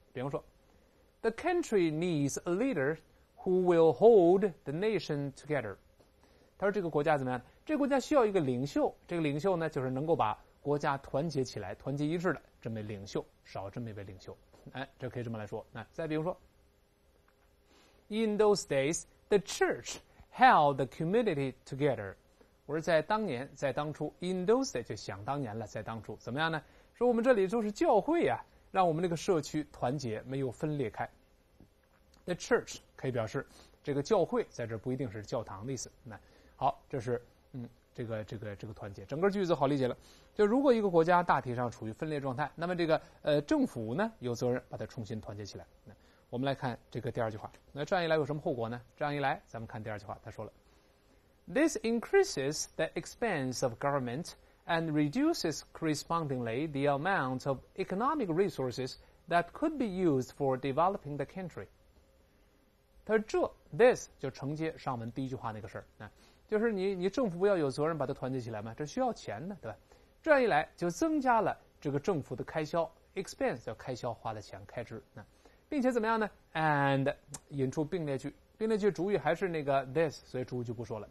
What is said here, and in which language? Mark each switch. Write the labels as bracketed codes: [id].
[en] 比方说 ，The country needs a leader who will hold the nation together。他说这个国家怎么样？ [zh] 这个国家需要一个领袖，这个领袖呢，就是能够把国家团结起来、团结一致的这么领袖，少这么一位领袖。哎，这可以这么来说。那再比如说 ， In those days。 [en] The church held the community together。 [zh] 我说在当年，在当初 ， in those days 就想当年了，在当初怎么样呢？说我们这里就是教会啊，让我们这个社区团结，没有分裂开。 The church 可以表示这个教会，在这不一定是教堂的意思。那好，这是这个团结，整个句子好理解了。就如果一个国家大体上处于分裂状态，那么这个政府呢有责任把它重新团结起来。我们来看这个第二句话，那这样一来有什么后果呢？ [en] 这样一来咱们看第二句话，他说了 This increases the expense of government and reduces correspondingly the amount of economic resources that could be used for developing the country。 [zh] 他说这 this 就承接上文第一句话那个事儿，就是你政府不要有责任把它团结起来吗？这需要钱的，对吧？这样一来就增加了这个政府的开销， expense 叫开销，花的钱，开支。那并且怎么样呢？ And 引出并列句，并列句主语还是那个 this， 所以主语就不说了。